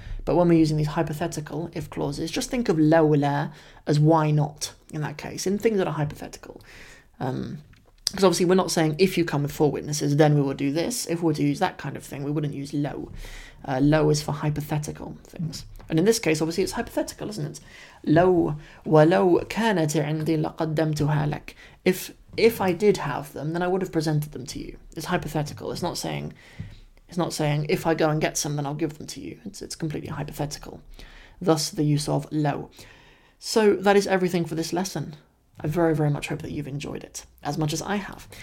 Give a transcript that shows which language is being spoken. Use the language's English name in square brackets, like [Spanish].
[English] But when we're using these hypothetical if clauses, just think of لولا as why not in that case, in things that are hypothetical. Because obviously we're not saying if you come with four witnesses, then we will do this. If we were to use that kind of thing, we wouldn't use لو. لو is for hypothetical things. And in this case, obviously, it's hypothetical, isn't it? [Arabic] لو ولو كانت عندي لقدمتها لك. [English] If I did have them, then I would have presented them to you. It's hypothetical. It's not saying if I go and get some, then I'll give them to you. It's completely hypothetical. Thus, the use of لو. So that is everything for this lesson. I very, very much hope that you've enjoyed it as much as I have.